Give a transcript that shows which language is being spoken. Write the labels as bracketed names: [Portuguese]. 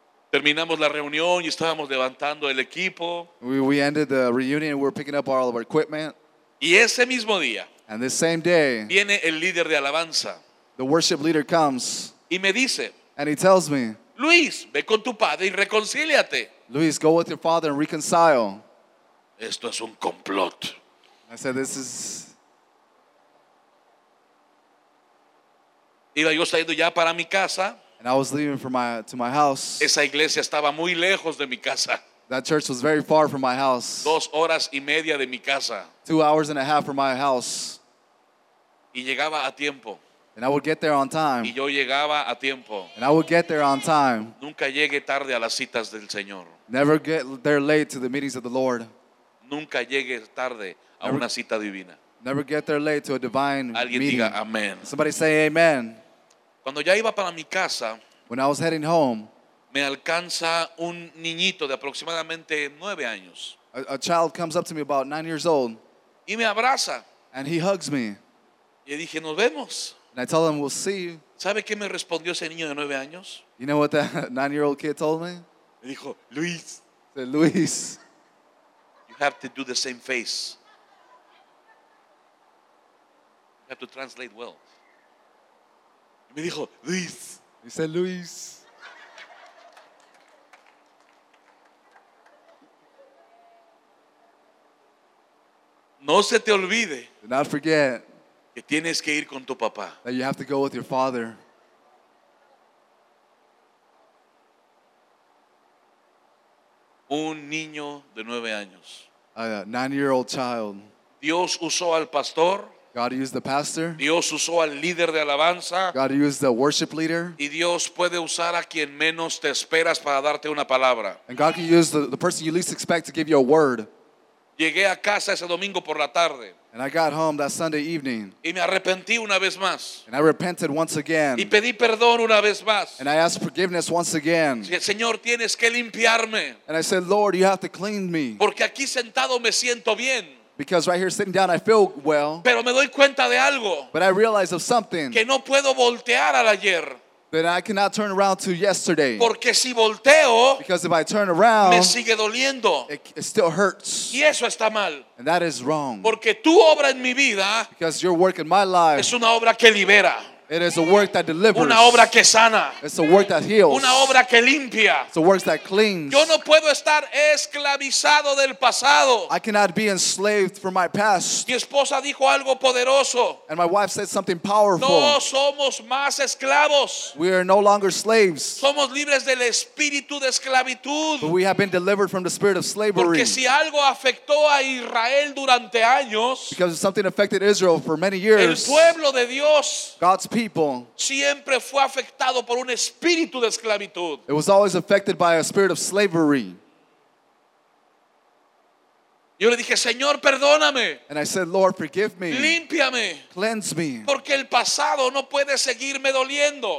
[Spanish] Terminamos la reunión y estábamos levantando el equipo. [English] We ended the reunion and we were picking up all of our equipment. [Spanish] Y ese mismo día. [English] And the same day. [Spanish] Viene el líder de alabanza. [English] The worship leader comes. [Spanish] Y me dice. [English] And he tells me. [Spanish] Luis, ve con tu padre y reconcíliate. [English] Luis, go with your father and reconcile. [Spanish] Esto es un complot. [English] I said, this is... [Spanish] Iba yo saliendo ya para mi casa. [English] And I was leaving for to my house. [Spanish] Esa iglesia estaba muy lejos de mi casa. [English] That church was very far from my house. [Spanish] 2 horas y media de mi casa. [English] 2 hours and a half from my house. [Spanish] Y llegaba a tiempo. [English] And I would get there on time. [Spanish] Y yo llegaba a tiempo. [English] And I would get there on time. [Spanish] Nunca llegué tarde a las citas del Señor. [English] Never get there late to the meetings of the Lord. [Spanish] Nunca llegué tarde a una cita divina. [English] Never get there late to a divine meeting. [Spanish] Alguien diga amén. [English] Somebody say amen. [Spanish] Cuando ya iba para mi casa, [English] when I was heading home, [Spanish] me alcanza un niñito de aproximadamente 9 años. [English] A child comes up to me about 9 years old. [Spanish] Y me abraza. [English] And he hugs me. [Spanish] Y dije, nos vemos. [English] And I tell them, we'll see you. [Spanish] ¿Sabe qué me respondió ese niño de 9 años? [English] You know what that 9-year-old kid told me? [Spanish] Me dijo, Luis. [English] Said, Luis. You have to do the same face. You have to translate well. [Spanish] Me dijo, Luis. [English] He said, Luis. [Spanish] No se te olvide. [English] Do not forget. [Spanish] Que tienes que ir con tu papá. [English] That you have to go with your father. [Spanish] Un niño de 9 años. [English] A 9-year-old child. [Spanish] Dios usó al pastor. [English] God used the pastor. [Spanish] Dios usó al líder de alabanza. [English] God used the worship leader. [Spanish] Y Dios puede usar a quien menos te esperas para darte una palabra. [English] And God can use the person you least expect to give you a word. [Spanish] Llegué a casa ese domingo por la tarde. [English] And I got home that Sunday evening. [Spanish] Y me arrepentí una vez más. [English] And I repented once again. [Spanish] Y pedí perdón una vez más. [English] And I asked forgiveness once again. [Spanish] Señor, tienes que limpiarme. [English] And I said, Lord, you have to clean me. [Spanish] Porque aquí sentado me siento bien. [English] Because right here sitting down I feel well. [Spanish] Pero me doy cuenta de algo. [English] But I realize of something. [Spanish] Que no puedo voltear al ayer. [English] That I cannot turn around to yesterday. [Spanish] Porque si volteo, [English] because if I turn around, [Spanish] me sigue doliendo. [English] It still hurts. [Spanish] Y eso está mal. [English] And that is wrong. [Spanish] Porque tu obra en mi vida, [English] because your work in my life, [Spanish] es una obra que libera. [English] It is a work that delivers. [Spanish] Una obra que sana. [English] It's a work that heals. [Spanish] Una obra que limpia. [English] It's a work that cleans. [Spanish] Yo no puedo estar esclavizado del pasado. [English] I cannot be enslaved for my past. [Spanish] Mi esposa dijo algo poderoso. [English] And my wife said something powerful. [Spanish] No somos más esclavos. [English] We are no longer slaves. [Spanish] Somos libres del espíritu de esclavitud. [English] But we have been delivered from the spirit of slavery. [Spanish] Porque si algo afectó a Israel durante años, [English] because if something affected Israel for many years, [Spanish] el pueblo de Dios, [English] God's people, [Spanish] siempre fue afectado por un espíritu de esclavitud. [English] It was always affected by a spirit of slavery. [Spanish] Yo le dije, Señor, perdóname. [English] And I said, Lord, forgive me. [Spanish] Límpiame. [English] Cleanse me. [Spanish] Porque el pasado no puede seguirme doliendo.